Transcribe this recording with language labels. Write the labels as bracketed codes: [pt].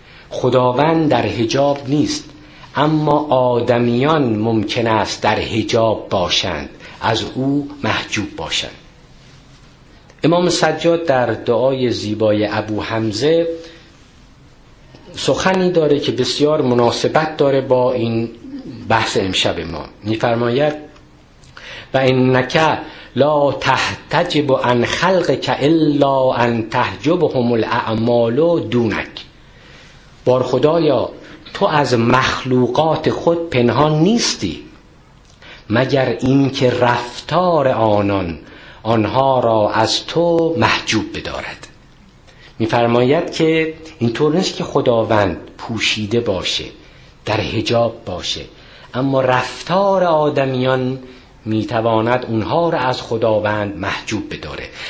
[fa] خداوند در حجاب نیست، اما آدمیان ممکن است در حجاب باشند، از او محجوب باشند. امام سجاد در دعای زیبای ابو حمزه سخنی داره که بسیار مناسبت داره با این بحث امشب ما. می فرماید [ar] و انک لا تحتجب عن خلق که الا ان تحجب هم الاعمال دونک. [fa] بار خدایا تو از مخلوقات خود پنهان نیستی، مگر اینکه رفتار آنان آنها را از تو محجوب بدارد. می‌فرماید که اینطور نیست که خداوند پوشیده باشه، در حجاب باشه، اما رفتار آدمیان میتواند اونها را از خداوند محجوب بداره.